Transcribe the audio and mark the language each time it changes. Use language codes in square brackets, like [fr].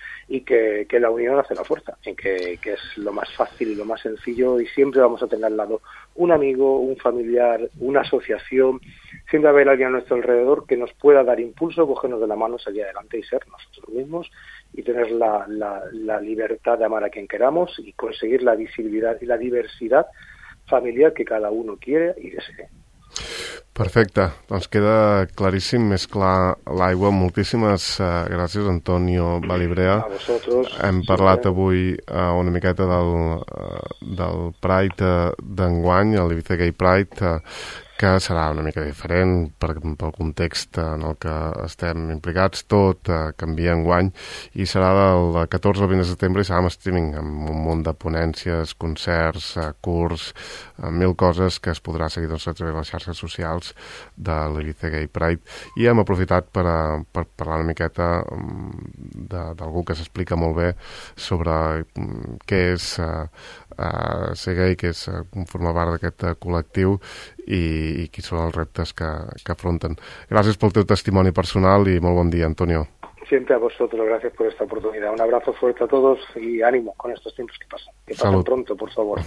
[es] y que la unión hace la fuerza, y que es lo más fácil y lo más sencillo y siempre vamos a tener al lado un amigo, un familiar, una asociación, siempre haber alguien a nuestro alrededor que nos pueda dar impulso, cogernos de la mano, salir adelante y ser nosotros mismos y tener la libertad de amar a quien queramos y conseguir la visibilidad y la diversidad familiar que cada uno quiere y desee. [ca] Perfecte, doncs queda claríssim, més clar l'aigua. Moltíssimes gràcies, Antonio Valibrea. [es] A vosotros. [ca] Hem parlat avui una miqueta del Pride d'enguany, l'Ibiza Gay Pride, que serà una mica diferent pel context en el que estem implicats. Tot canvia enguany i serà del 14 al 20 de setembre i serà en streaming, amb un munt de ponències, concerts, curs, mil coses que es podrà seguir doncs, a través de les xarxes socials de l'Ibiza Gay Pride. I hem aprofitat per parlar una miqueta d'algú que s'explica molt bé sobre què és ser gay, que és formar part d'aquest col·lectiu i quins són els reptes que afronten. Gràcies pel teu testimoni personal i molt bon dia, Antonio. [es] Siempre a vosotros, gracias por esta oportunidad. Un abrazo fuerte a todos y ánimo con estos tiempos que pasan. Que pasen pronto, por favor.